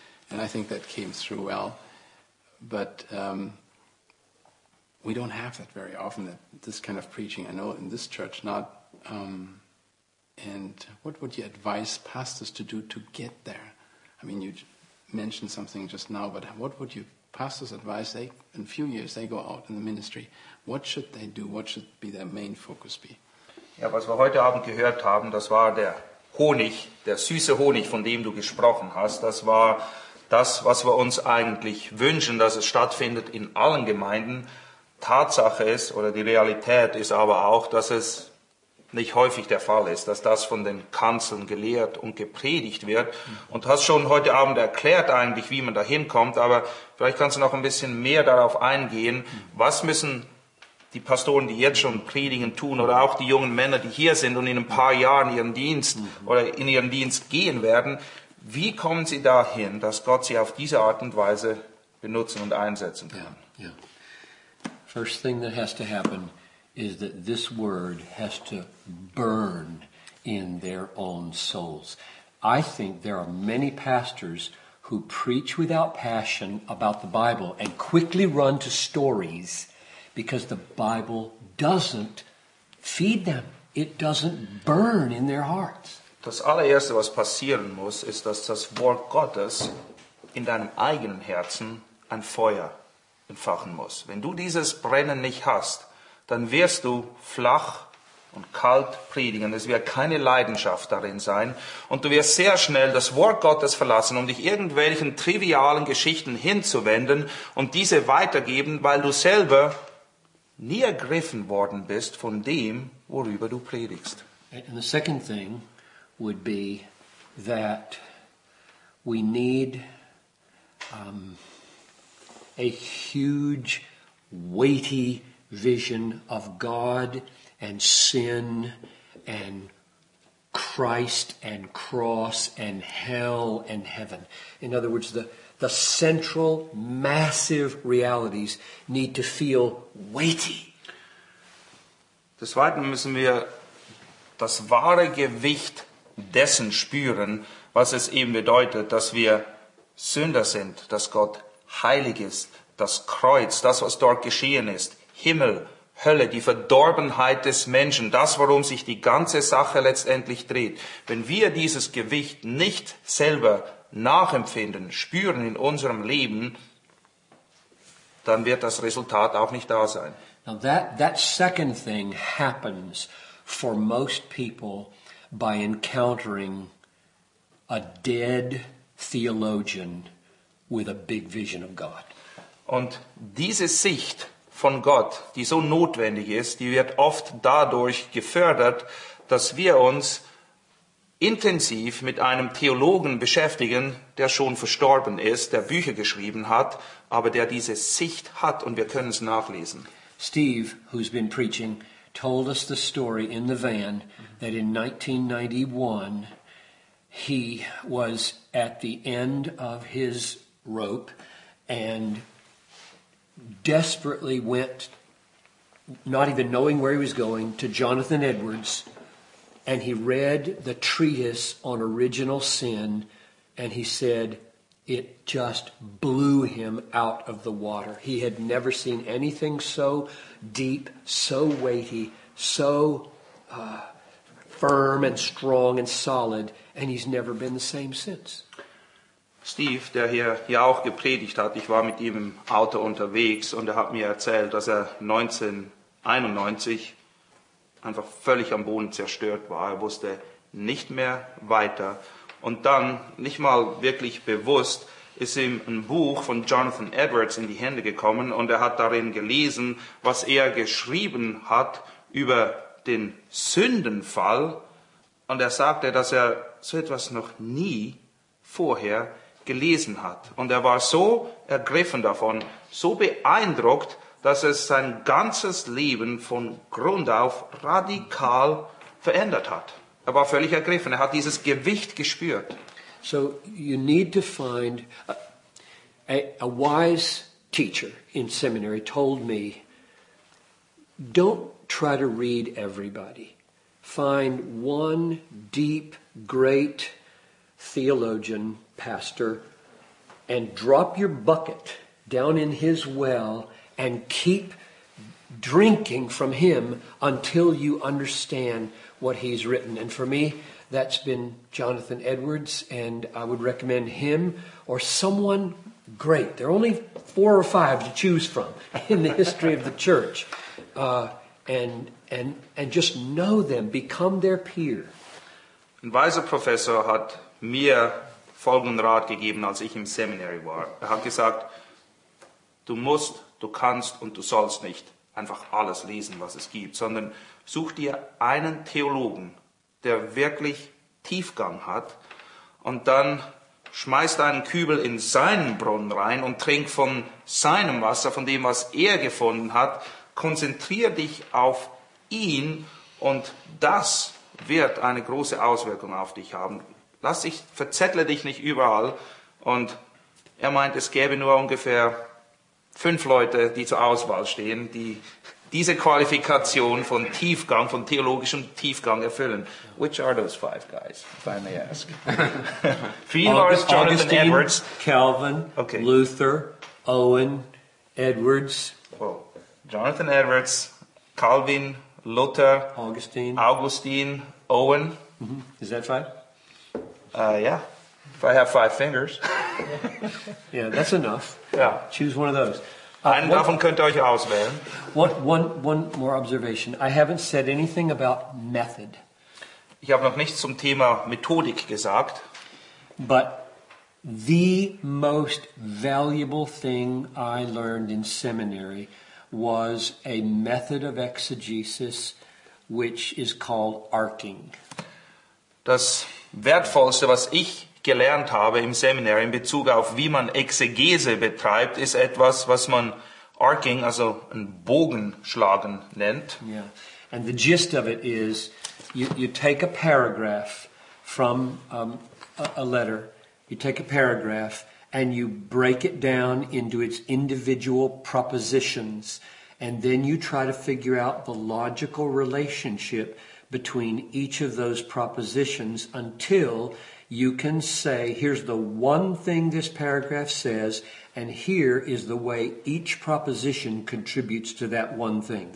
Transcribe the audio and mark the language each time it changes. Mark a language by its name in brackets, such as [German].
[English] And I think that came through well. But we don't have that very often, that this kind of preaching, I know in this church not. And what would you advise pastors to do to get there? I mean, you mentioned something just now, but what would you pastors advise? They, in a few years, they go out in the ministry. What should they do? What should be their main focus be? [German] Ja, was wir heute Abend gehört haben, das war der Honig, der süße Honig, von dem du gesprochen hast. Das war das, was wir uns eigentlich wünschen, dass es stattfindet in allen Gemeinden. Tatsache ist, oder die Realität ist aber auch, dass es nicht häufig der Fall ist, dass das von den Kanzeln gelehrt und gepredigt wird. Und hast schon heute Abend erklärt eigentlich, wie man da hinkommt, aber vielleicht kannst du noch ein bisschen mehr darauf eingehen. Was müssen die Pastoren, die jetzt schon predigen, tun, oder auch die jungen Männer, die hier sind und in ein paar Jahren ihren Dienst oder in ihren Dienst gehen werden, wie kommen sie dahin, dass Gott sie auf diese Art und Weise benutzen und einsetzen kann? Ja, ja. [English] First thing that has to happen is that this word has to burn in their own souls. I think there are many pastors who preach without passion about the Bible and quickly run to stories because the Bible doesn't feed them. It doesn't burn in their hearts. [German] Das allererste, was passieren muss, ist, dass das Wort Gottes in deinem eigenen Herzen ein Feuer entfachen muss. Wenn du dieses Brennen nicht hast, dann wirst du flach und kalt predigen. Es wird keine Leidenschaft darin sein. Und du wirst sehr schnell das Wort Gottes verlassen, um dich irgendwelchen trivialen Geschichten hinzuwenden und diese weitergeben, weil du selber nie ergriffen worden bist von dem, worüber du predigst. [English] And the second thing would be that we need a huge, weighty vision of God and sin and Christ and cross and hell and heaven. In other words, the central, massive realities need to feel weighty. [German] Des Weiteren müssen wir das wahre Gewicht dessen spüren, was es eben bedeutet, dass wir Sünder sind, dass Gott heilig ist, das Kreuz, das, was dort geschehen ist, Himmel, Hölle, die Verdorbenheit des Menschen, das, worum sich die ganze Sache letztendlich dreht. Wenn wir dieses Gewicht nicht selber nachempfinden, spüren in unserem Leben, dann wird das Resultat auch nicht da sein. [English] Now that second thing happens for most people by encountering a dead theologian with a big vision of God. [German] Und diese Sicht von Gott, die so notwendig ist, die wird oft dadurch gefördert, dass wir uns intensiv mit einem Theologen beschäftigen, der schon verstorben ist, der Bücher geschrieben hat, aber der diese Sicht hat, und wir können es nachlesen. [English] Steve, who's been preaching, told us the story in the van that in 1991 he was at the end of his rope and desperately went, not even knowing where he was going, to Jonathan Edwards and he read the treatise on original sin, and he said it just blew him out of the water. He had never seen anything so deep, so weighty, so firm and strong and solid, and he's never been the same since. [German] Steve, der hier auch gepredigt hat, ich war mit ihm im Auto unterwegs und hat mir erzählt, dass 1991 einfach völlig am Boden zerstört war. Wusste nicht mehr weiter. Und dann, nicht mal wirklich bewusst, ist ihm ein Buch von Jonathan Edwards in die Hände gekommen und hat darin gelesen, was geschrieben hat über den Sündenfall. Und sagte, dass so etwas noch nie vorher gelesen hat. Und war so ergriffen davon, so beeindruckt, dass sein ganzes Leben von Grund auf radikal verändert hat. War völlig ergriffen. Hat dieses Gewicht gespürt. [English] So you need to find a wise teacher in seminary told me, don't try to read everybody. Find one deep, great theologian, pastor, and drop your bucket down in his well and keep drinking from him until you understand what he's written. And for me, that's been Jonathan Edwards, and I would recommend him or someone great. There are only four or five to choose from in the history of the church. And just know them, become their peer. [German] Ein weiser Professor hat mir folgenden Rat gegeben, als ich im Seminary war. Hat gesagt, du musst, du kannst und du sollst nicht einfach alles lesen, was es gibt, sondern such dir einen Theologen, der wirklich Tiefgang hat, und dann schmeiß deinen Kübel in seinen Brunnen rein und trink von seinem Wasser, von dem, was gefunden hat. Konzentrier dich auf ihn, und das wird eine große Auswirkung auf dich haben. Verzettle dich nicht überall. Und meint, es gäbe nur ungefähr 5 Leute, die zur Auswahl stehen, die diese Qualifikation von Tiefgang, von theologischem Tiefgang erfüllen. [English] Which are those 5 guys, if I may ask? Augustine, Edwards. Calvin, okay. Luther, Owen, Edwards. Well, Jonathan Edwards, Calvin, Luther, Augustine, Owen. Mm-hmm. Is that 5? If I have 5 fingers. Yeah, that's enough. Yeah. Choose one of those. [German] Davon könnt ihr euch auswählen. [English] One more observation. I haven't said anything about method. [German] Ich habe noch nichts zum Thema Methodik gesagt. [English] But the most valuable thing I learned in seminary was a method of exegesis which is called arcing. [German] Das Wertvollste, was ich gelernt habe im Seminar in Bezug auf wie man Exegese betreibt, ist etwas, was man arcing, also ein Bogenschlagen, nennt. [English] Yeah. And the gist of it is, you take a paragraph from a letter, you take a paragraph and you break it down into its individual propositions, and then you try to figure out the logical relationship between each of those propositions until you can say, here's the one thing this paragraph says, and here is the way each proposition contributes to that one thing.